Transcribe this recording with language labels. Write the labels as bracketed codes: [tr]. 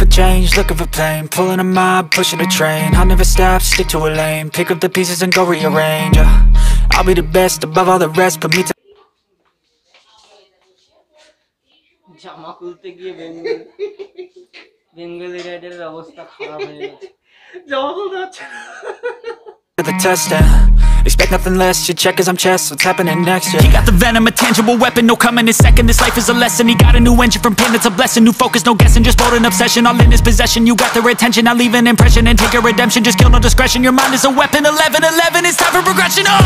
[en] Change, looking for pain, pulling a mob, pushing a train. I'll never stop, stick to a lane. Pick up the pieces and go rearrange. Yeah. I'll be the best above all the rest. Put me to [bn] জামা খুলতে গিয়ে Bengali রাইডের অবস্থা খারাপ হয়ে গেছে। [en] The test and expect nothing less. You check as I'm chess. What's happening next? Yeah. He got the venom, a tangible weapon. No coming in second. This life is a lesson. He got a new engine from pain. That's a blessing. New focus, no guessing. Just bold and obsession. All in his possession. You got the retention. I'll leave an impression and take a redemption. Just kill no discretion. Your mind is a weapon. 11-11. It's time for progression. Oh!